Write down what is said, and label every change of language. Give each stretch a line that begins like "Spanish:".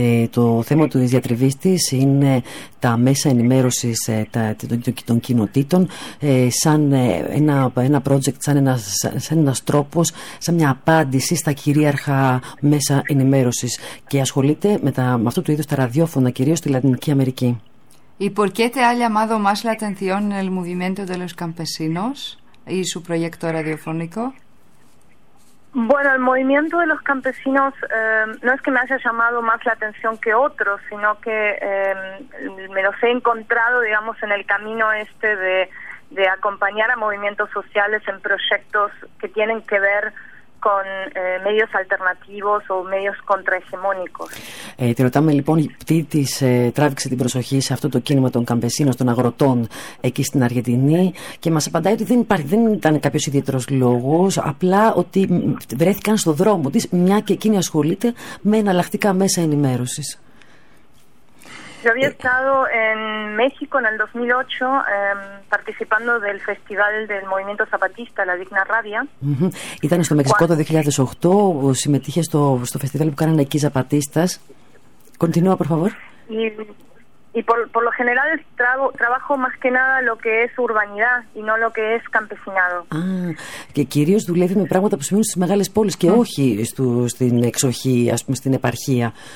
Greek: Το θέμα του διατριβής της είναι τα μέσα ενημέρωσης των κοινοτήτων σαν ένα project, σαν ένας τρόπος, σαν μια απάντηση στα κυρίαρχα μέσα ενημέρωσης, και ασχολείται με αυτού του είδους τα ραδιόφωνα, κυρίως στη Λατινική Αμερική.
Spanish: ¿Y por qué te ha llamado más la atención el movimiento de los campesinos y su proyecto radiofónico? Bueno, el movimiento de los campesinos no es que me haya llamado más la atención que otros, sino que me los he encontrado, digamos, en el camino este de acompañar a movimientos sociales en proyectos que tienen que ver con medios alternativos o medios contrahegemónicos.
Greek: Te ρωτάμε λοιπόν τι της τράβηξε την προσοχή σε αυτό το κίνημα των καμπεσίνων, των αγροτών εκεί στην Αργεντινή, και μας απαντάει ότι δεν ήταν κάποιος ιδιαίτερος λόγος, απλά ότι βρέθηκαν στο δρόμο της, μια και εκείνη ασχολείται με εναλλακτικά μέσα ενημέρωσης.
Spanish: Yo había estado en México en el 2008 participando del festival del movimiento zapatista, la Digna Rabia.
Greek: Ήταν στο Μεξικό το 2008, συμμετείχε στο φεστιβάλ που κάνανε εκεί Zapatistas.
Spanish: Continúa, por favor. Y por lo general trabajo más que nada lo que es urbanidad y no lo que es campesinado.
Greek: Και κυρίως δουλεύει με πράγματα που συμβαίνουν στις μεγάλες πόλεις και όχι στην εξοχή, ας πούμε, στην επαρχία.